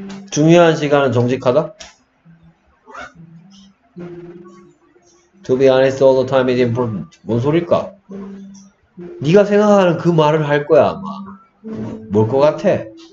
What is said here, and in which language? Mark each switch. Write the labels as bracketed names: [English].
[Korean] 중요한 시간은 정직하다? [English] To be honest all the time is important. [Korean] 뭔 소릴까? 네가 생각하는 그 말을 할 거야 아마. 뭘 것 같아?